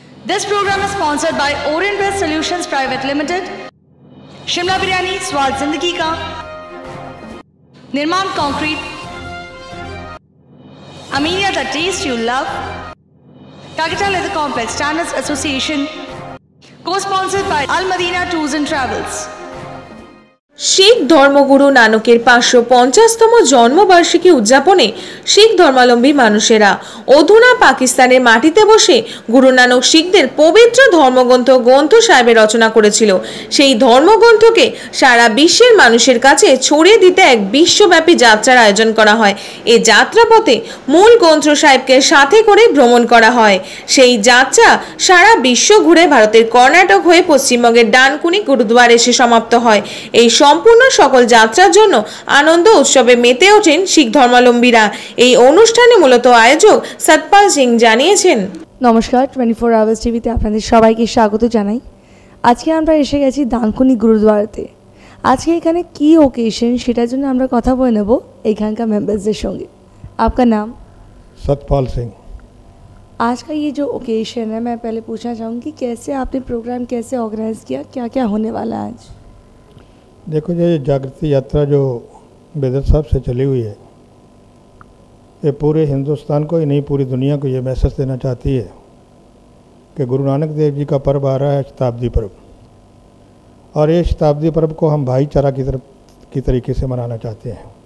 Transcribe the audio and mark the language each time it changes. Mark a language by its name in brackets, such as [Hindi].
[English] This program is sponsored by orient west solutions private limited, Shimla biryani स्वाद जिंदगी का, Nirman concrete, Aminia the taste you love, Calcutta leather complex standards association, co-sponsored by Al Madina tours and travels. [Bangla] শিখ ধর্মগুরু নানকের 550তম জন্মবার্ষিকী উদযাপনে শিখ ধর্মাবলম্বী মানুষেরা অধুনা পাকিস্তানের মাটিতে বসে গুরু নানক শিখদের পবিত্র ধর্মগ্রন্থ গ্রন্থ সাহেবে রচনা করেছিল। সেই ধর্মগ্রন্থকে সারা বিশ্বের মানুষের কাছে ছড়িয়ে দিতে এক বিশ্বব্যাপী যাত্রার আয়োজন করা হয়। এই যাত্রাপথে মূল গ্রন্থ সাহেবকে সাথে করে ভ্রমণ করা হয়। সেই যাত্রা সারা বিশ্ব ঘুরে ভারতের কর্ণাটক হয়ে পশ্চিমবঙ্গের ডানকুনি গুরুদুয়ারে এসে সমাপ্ত হয়। এই সম্পূর্ণ সকল যাত্রার জন্য আনন্দ উৎসবে মেতে ওঠেন শিখ ধর্মাবলম্বীরা। এই অনুষ্ঠানে মূলত আয়োজক সতপাল সিং জানিয়েছেন। নমস্কার, 24 আওয়ার্স টিভিতে আপনাদের সবাইকে স্বাগত জানাই। আজকে আমরা এসে গেছি ডানকুনি গুরুদুয়ারাতে। আজকে এখানে কি ওকেশন সেটার জন্য আমরা কথা বলে নেব এখানকার মেম্বারদের সঙ্গে। আপনার নাম? সতপাল সিং। [Hindi] আজকা ইয়ে যো ওকেশন হ্যাঁ, মানে পেলে পুছনা চাহুঙ্গি কেসে আপনি প্রোগ্রাম কেসে অর্গানাইজ কিয়া, ক্যা ক্যা হোনে ওয়ালা আজ? देखो, ये जागृति यात्रा जो बेदर साहब से चली हुई है, ये पूरे हिंदुस्तान को ही नहीं पूरी दुनिया को ये मैसेज देना चाहती है कि गुरु नानक देव जी का पर्व आ रहा है, शताब्दी पर्व, और ये शताब्दी पर्व को हम भाईचारा की तरफ की तरीके से मनाना चाहते हैं।